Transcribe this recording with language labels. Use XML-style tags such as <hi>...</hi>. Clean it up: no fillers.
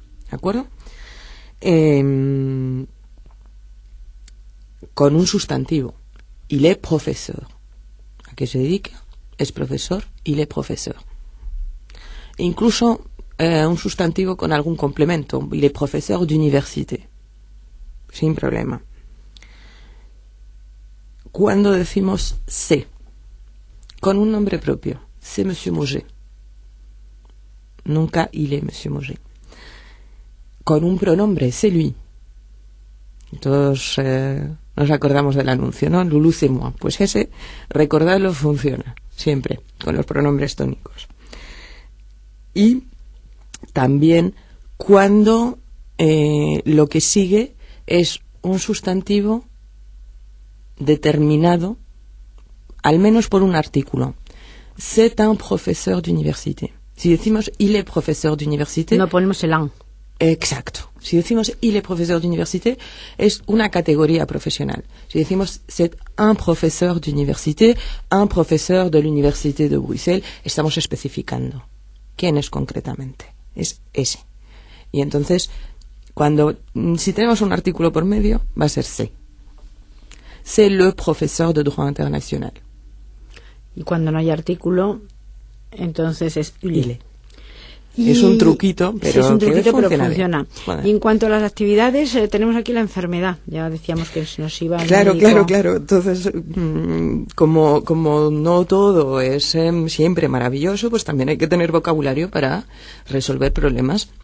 <es>¿De acuerdo? Con un sustantivo.</es> <fr>Il est professeur.</fr> <es>¿A qué se dedica? Es profesor. Il est professeur. E incluso... un sustantivo con algún complemento.</es> <fr>Il est professeur d'université.</fr> <es>Sin problema. Cuando decimos c'est, con un nombre propio,</es> <fr>c'est Monsieur Mosé.</fr> <es>Nunca</es> <fr>il est Monsieur Mosé.</fr> <es>Con un pronombre,</es> <fr>c'est lui.</fr> <es>Todos nos acordamos del anuncio, ¿no?</es> <fr>Lulu, c'est moi.</fr> <es>Pues ese, recordadlo, funciona. Siempre, con los pronombres tónicos. Y... también cuando lo que sigue es un sustantivo determinado, al menos por un artículo.</es> <fr>C'est un professeur d'université.</fr> <es>Si decimos</es> <fr>il est professeur d'université...</fr> <es>No ponemos el un. Exacto. Si decimos</es> <fr>il est professeur d'université,</fr> <es>es una categoría profesional. Si decimos</es> <fr>c'est un professeur d'université, un professeur de l'université de Bruxelles,</fr> <es>estamos especificando quién es concretamente. Es ese. Y entonces, cuando si tenemos un artículo por medio, va a ser C.</es> <fr>C'est le professeur de droit international.</fr> <es>Y cuando no hay artículo, entonces es il. Es un truquito, pero, sí, es un truquito, pero funciona. Y en cuanto a las actividades, tenemos aquí la enfermedad. Ya decíamos que nos iba a... Claro, claro, claro. Entonces, como no todo es siempre maravilloso, pues también hay que tener vocabulario para resolver problemas.</es>